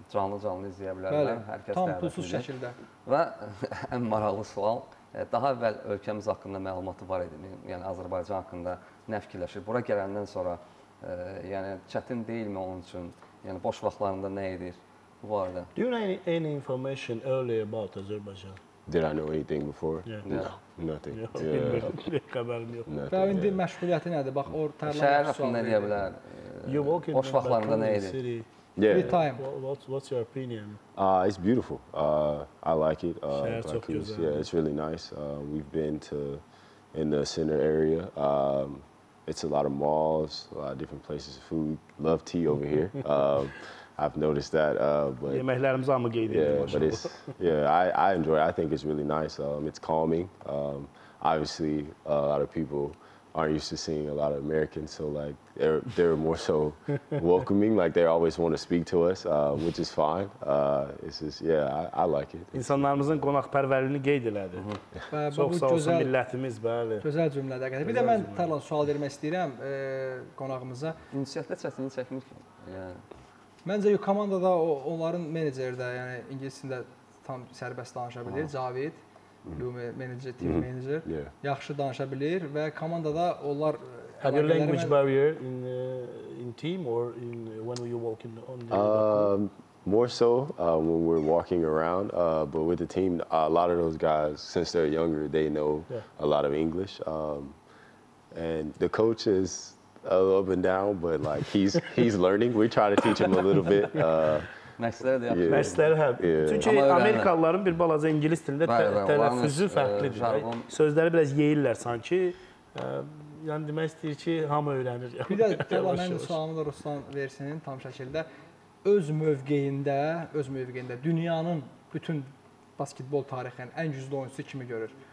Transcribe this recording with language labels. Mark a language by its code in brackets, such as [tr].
[az] Canlı-canlı izləyə bilərlər. Bəli, hər kəs tam pulsuz şəkildə. Və ən maraqlı sual, daha əvvəl ölkəmiz haqqında məlumatı var idi. Yəni Azərbaycan haqqında nə fikirləşir? Bura gələndən sonra yəni çətin deyilmi onun üçün? Yəni boş vaxtlarında nə edir? Bu barədə. [en] Do you know any information earlier about Azerbaijan? Did I know anything before? Yeah. Nothing. Yeah. Yeah. Yeah. [az] Məşğuliyyəti nədir? Bax, şəhər haqqında nə deyə bilər? Boş vaxtlarında nə edir? [en] Yeah. Free time. What's your opinion? It's beautiful. I like it. Baku's, yeah, it's really nice. We've been to in the center area. It's a lot of malls, a lot of different places of food. Love tea over here. I've noticed that. But [az] yeməklərimizi amma qeyd edirəm. [en] Yeah, but it's I enjoy it. I think it's really nice. It's calming. Obviously, a lot of people aren't used to seeing a lot of Americans, so like they're more so welcoming, like they always want to speak to us, which is fine. It's just, yeah, I like it. [az] İnsanlarımızın qonaqpərvərliyini qeyd elədi. Çox sağ olsun millətimiz, bəli. Gözəl cümlədir. Gözəl bir də mən Tarlan sual vermək istəyirəm qonağımıza. İnisiyyətdə çətini çəkmir ki. Məncə, yox, komandada onların menedjeri də, yəni ingilisində tam sərbəst danışa bilir, Cavid. [en] Manager, team manager. Yeah. [az] Yaxşı danışa bilir və komandada onlar [en] have your language barrier in team or in when you walk in on the More so when we're walking around but with the team a lot of those guys since they're younger they know a lot of English and the coach is up and down but like he's learning we try to teach him a little bit [az] Məşqləri hər. Çünki Amerikalıların bir balaca ingilis dilində tələffüzü fərqlidir. Sözləri biraz yeyirlər sanki. Yəni demək istəyir ki, hamı öyrənir. Bir də mənim sualımı da Ruslan versin tam şəkildə. Öz mövqeyində dünyanın bütün basketbol tarixinin ən güclü oyuncusu kimi görür.